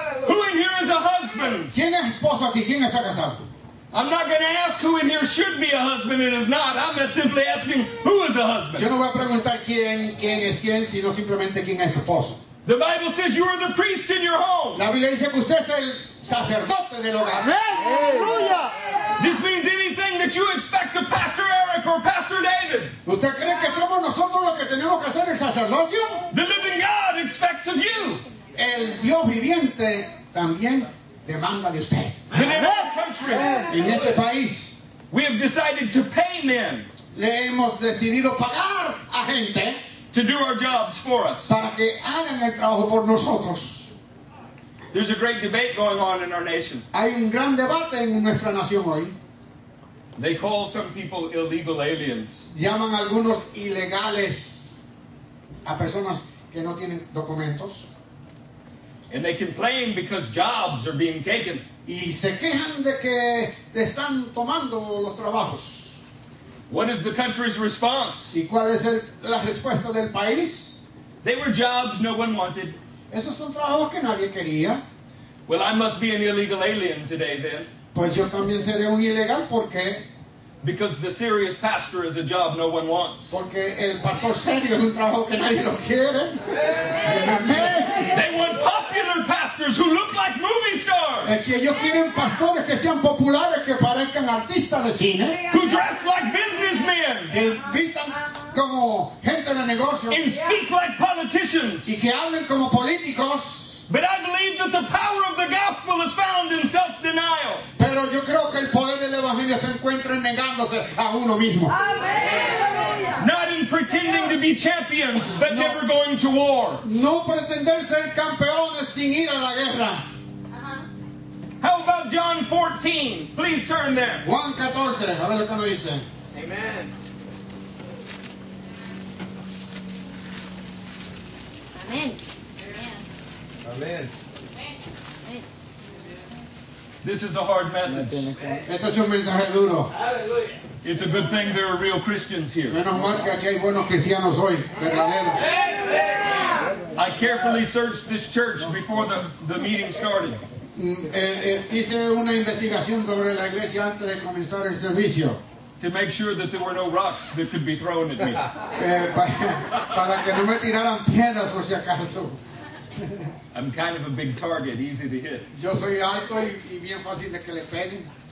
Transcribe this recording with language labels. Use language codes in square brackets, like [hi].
[en] Who in [es] ¿Quién es esposo aquí? ¿Quién está casado? [en] I'm not going to ask who in here should be a husband and is not. I'm just simply asking who is a husband. [es] Yo no voy a preguntar quién es quién, sino simplemente quién es esposo. [en] The Bible says you are the priest in your home. [es] La Biblia dice que usted es el sacerdote del hogar. Amén. Aleluya. [en] This means anything that you expect of Pastor Eric or Pastor David. [es] ¿Usted cree que somos nosotros los que tenemos que hacer el sacerdocio? [en] The living God expects of you. [es] El Dios viviente también demanda de usted. [en] But in our country, [es] en este país, [en] we have decided to pay men. [es] Le hemos decidido pagar a gente [en] to do our jobs for us. [es] Para que hagan el trabajo por nosotros. [en] There's a great debate going on in our nation. [es] Hay un gran debate en nuestra nación hoy. [en] They call some people illegal aliens. [es] Llaman algunos ilegales a personas que no tienen documentos. [en] And they complain because jobs are being taken. [es] Y se quejan de que están tomando los trabajos. [en] What is the country's response? [es] ¿Y cuál es la respuesta del país? [en] They were jobs no one wanted. [es] Esos son trabajos que nadie quería. [en] Well, I must be an illegal alien today, then. [es] Pues yo también seré un ilegal, ¿por qué? [en] Because the serious pastor is a job no one wants. [es] Porque el pastor serio es un trabajo que nadie lo quiere. [en] They want popular pastors who look like movie stars. [es] Es que ellos quieren pastores que sean populares, que parezcan artistas de cine. [en] Who dress like businessmen. [es] Que vistan como gente de negocios. [en] And speak like politicians. [es] Y que hablen como políticos. [en] But I believe that the power of the gospel is found in self-denial. [es] Pero yo creo que el poder del evangelio se encuentra en negándose a uno mismo. [en] Amen. Not in pretending to be champions, but no, never going to war. [es] No pretender ser campeones sin ir a la guerra. [en] Uh-huh. How about John 14? Please turn there. [es] Juan 14. A ver lo que nos dice. [en] Amen. Amen. Amen. This is a hard message. [es] Esto es un mensaje duro. [en] It's a good thing there are real Christians here. [es] Menos mal que aquí hay buenos cristianos hoy, verdaderos. [en] I carefully searched this church before the meeting started. [es] Hice una investigación sobre la iglesia antes de comenzar el servicio. [en] To make sure that there were no rocks that could be thrown at me. [es] Para que no me tiraran piedras por si acaso. [en] I'm kind of a big target, easy to hit. [es] Yo soy alto y bien fácil de que le peguen.